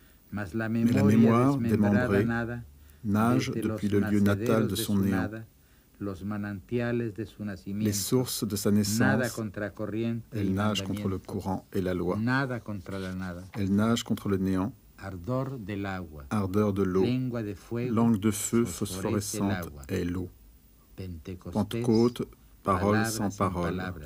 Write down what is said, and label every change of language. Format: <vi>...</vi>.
<fr>Mais la mémoire démembrée nage depuis le lieu natal de son néant.</fr> <es>Los manantiales de su nacimiento.</es> <fr>Les sources de sa naissance,</fr> <es>nada contra corriente,</es> <fr>elle nage contre le courant et la loi.</fr> <es>Nada contra la nada.</es> <fr>Elle nage contre le néant,</fr> <es>ardor de l'agua.</es> <fr>Ardeur de l'eau,</fr> <es>lengua de fuego,</es> <fr>langue de feu phosphorescente est l'eau. Pentecôte, parole sans parole.</fr>